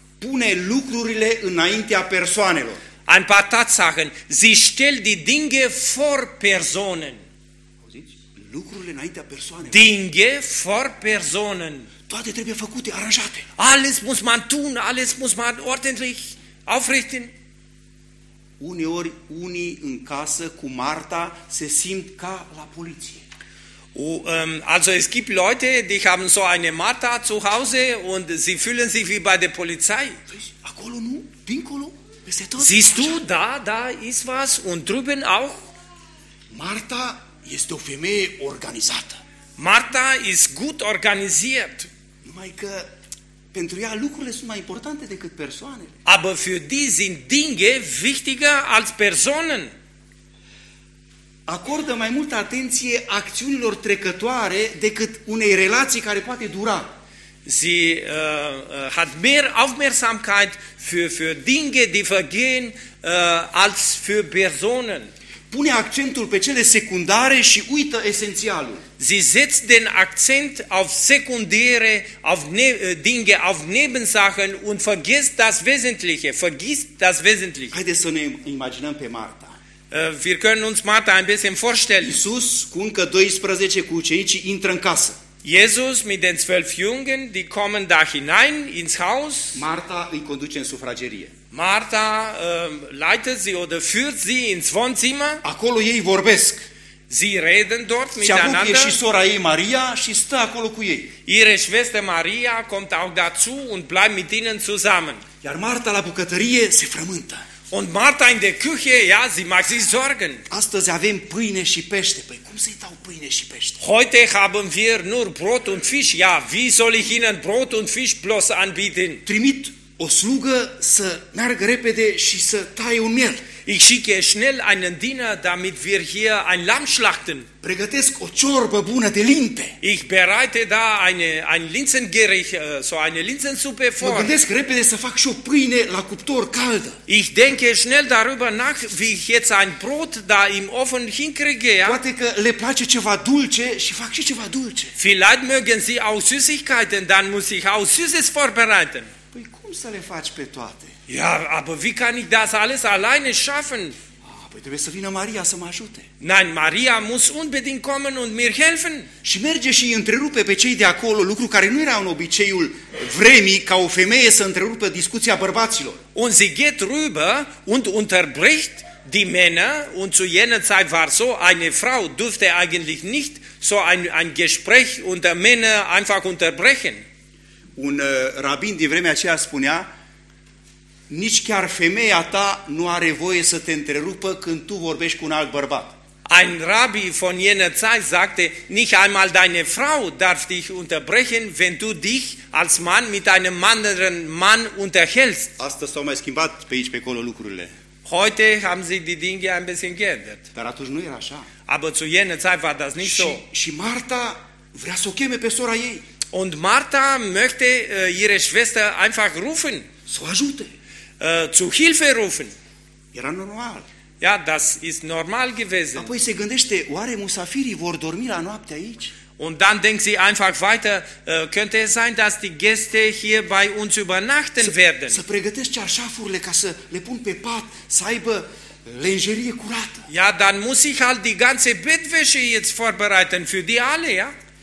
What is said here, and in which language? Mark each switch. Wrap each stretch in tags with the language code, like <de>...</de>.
<ro>Pune lucrurile înaintea persoanelor.</ro> <de>Ein paar Tatsachen. Sie stellt die Dinge vor Personen.</de> <ro>Lucrurile înaintea persoanelor.</ro> <de>Dinge vor Personen.</de> <ro>Toate trebuie făcute, aranjate.</ro> <de>Alles muss man tun, alles muss man ordentlich aufrichten.</de> <ro>Uneori unii în casă cu Marta se simt ca la poliție.</ro> <de>Also es gibt Leute, die haben so eine Marta zu Hause und sie fühlen sich wie bei der Polizei.</de> <ro>Acolo nu, dincolo, peste tot.</ro> <de>Siehst du, da, da ist was und drüben auch.</de> <ro>Marta este o femeie organizată.</ro> <de>Marta ist gut organisiert.</de> <ro>Numai că pentru ea lucrurile sunt mai importante decât persoanele.</ro> <de>Aber für die sind Dinge wichtiger als Personen.</de> <ro>Acordă mai multă atenție acțiunilor trecătoare decât unei relații care poate dura.</ro> <de>Sie hat mehr Aufmerksamkeit für Dinge, die vergehen, als für Personen.</de> <ro>Pune accentul pe cele secundare și uită esențialul.</ro> <de>Sie setzt den Akzent auf sekundäre, auf Dinge, auf Nebensachen und vergisst das Wesentliche.</de> <ro>Haideți să ne imaginăm pe Marta.</ro> <de>Wir können uns Martha ein bisschen vorstellen.</de> <ro>Iisus cu încă 12 cu ucenicii intră în casă.</ro> <de>Jesus mit den 12 Jungen, die kommen da hinein ins Haus.</de> <ro>Martha îi conduce în sufragerie.</ro> <de>Martha leitet sie oder führt sie ins Wohnzimmer.</de> <ro>Acolo ei vorbesc.</ro> <de>Sie reden dort miteinander.</de> <ro>Și sora ei Maria și stă acolo cu ei.</ro> <de>Ihre Schwester Maria kommt auch dazu und bleibt mit ihnen zusammen.</de> <ro>Iar Martha la bucătărie se frământă.</ro> <de>Und Marta in der Küche, ja, sie macht sich Sorgen.</de> <ro>Astăzi avem pâine și pește. Păi cum să-i dau pâine și pește?</ro> <de>Heute haben wir nur Brot und Fisch. Ja, wie soll ich Ihnen Brot und Fisch bloß anbieten?</de> <ro>Trimit o slugă să meargă repede și să taie un miel.</ro> <de>Ich schicke schnell einen Diener, damit wir hier ein Lamm schlachten.</de> <ro>Pregătesc o ciorbă bună de linte.</ro> <de>Ich bereite da ein Linsengericht, so eine Linsensuppe vor.</de> <ro>Mă gândesc repede să fac și o pâine la cuptor caldă.</ro> <de>Ich denke schnell darüber nach, wie ich jetzt ein Brot da im Ofen hinkriege. Ja?</de> <ro>Poate că le place ceva dulce și fac și ceva dulce.</ro> <de>Vielleicht mögen Sie auch Süßigkeiten, dann muss ich auch Süßes vorbereiten.</de> <ro>Păi cum să le faci pe toate?</ro> <de>Ja, aber wie kann ich das alles alleine schaffen?</de> <ro>Păi trebuie să vină Maria să mă ajute.</ro> <de>Nein, Maria muss unbedingt kommen und mir helfen.</de> <ro>Și merge și întrerupe pe cei de acolo, lucru care nu era în obiceiul vremii ca o femeie să întrerupă discuția bărbaților.</ro> <de>Und sie geht rüber und unterbricht die Männer und zu jener Zeit war so, eine Frau durfte eigentlich nicht so ein Gespräch unter Männer einfach unterbrechen.</de> <ro>Un rabin din vremea aceea spunea: nici chiar femeia ta nu are voie să te întrerupă când tu vorbești cu un alt bărbat.</ro> <de>Ein Rabbi von jener Zeit sagte, nicht einmal deine Frau darf dich unterbrechen, wenn du dich als Mann mit einem anderen Mann unterhältst.</de> <ro>Astăzi s-au mai schimbat pe aici pe acolo lucrurile.</ro> <de>Heute haben sich die Dinge ein bisschen geändert.</de> <ro>Dar atunci nu era așa.</ro> <de>Aber zu jener Zeit war das nicht so.</de> <ro>Și Marta vrea să o cheme pe sora ei.</ro> <de>Und Martha möchte ihre Schwester einfach rufen.</de> <ro>Să o ajute.</ro> <de>Zu Hilfe rufen.</de> <ro>Era normal.</ro> <de>Ja, das ist normal gewesen.</de> <ro>Apoi se gândește, oare musafirii vor dormi la noapte aici?</ro> <de>Und dann denkt sie einfach weiter, könnte es sein, dass die Gäste hier bei uns übernachten werden?</de> <ro>Să pregătesc cearșafurile ca să le pun pe pat, să aibă lenjerie curată.</ro> <de>Ja, dann muss ich halt die ganze Bettwäsche jetzt vorbereiten für die alle, ja?</de>